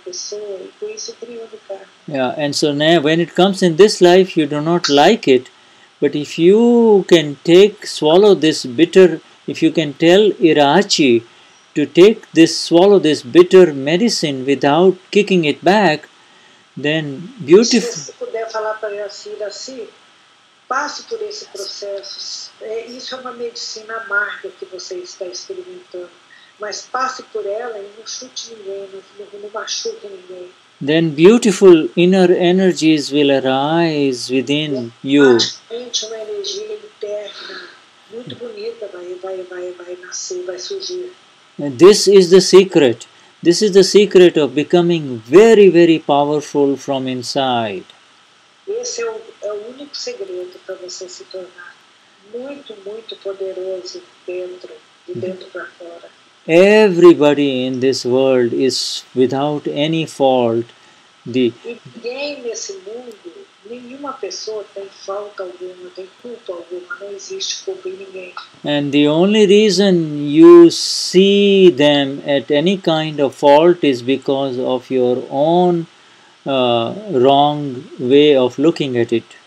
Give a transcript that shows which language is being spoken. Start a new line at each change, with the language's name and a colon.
English: Yeah, and so now when it comes in this life, you do not like it, but if you can swallow this bitter, if you can tell Irachi to swallow this bitter medicine without kicking it back, then beautiful.
Portuguese: Falar para ela assim, passe por esse processo, isso é uma medicina amarga que você está experimentando, mas passe por ela e não chute ninguém, não machuque ninguém.
English: Then beautiful inner energies will arise within you.
Portuguese: Uma energia interna, muito bonita, vai nascer, vai surgir.
English: And this is the secret. This is the secret of becoming very, very powerful from inside.
Portuguese: Esse é o único segredo para você se tornar muito, muito poderoso dentro, de dentro para fora.
English: Everybody in this world is without any fault.
Portuguese: Ninguém nesse mundo, nenhuma pessoa tem falta alguma, tem culpa alguma, não existe culpa em ninguém.
English: And the only reason you see them at any kind of fault is because of your own wrong way of looking at it.